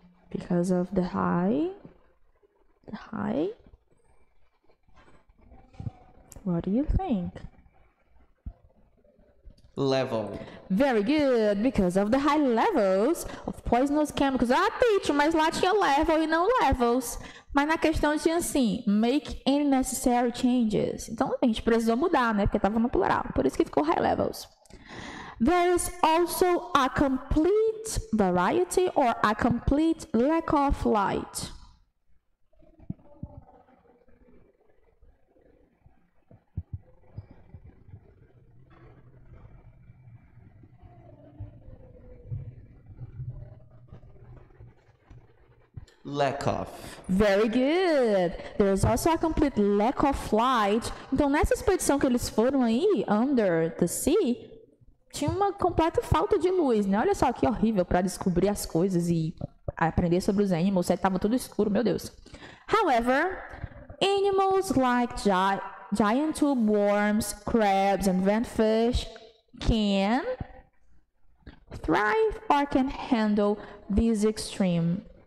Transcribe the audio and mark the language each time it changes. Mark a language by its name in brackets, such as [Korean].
[English] Because of the high. What do you think? Level. Very good, because of the high levels of poisonous chemicals. [Portuguese] Ah, teacher, mas lá tinha level e não levels. Mas na questão tinha assim, [English] make any necessary changes. [Portuguese] Então a gente precisou mudar, né? Porque tava no plural. Por isso que ficou high levels. [English] There is also a complete variety or a complete lack of light. Hmm. Lack of. Very good. There's also a complete lack of light. [Portuguese] Então, nessa expedição que eles foram aí, [English] under the sea, [Portuguese] tinha uma completa falta de luz, né? Olha só que horrível para descobrir as coisas e aprender sobre os animals. Tava tudo escuro, meu Deus. [English] However, animals like giant tube worms, crabs, and vent fish can thrive or can handle this extreme.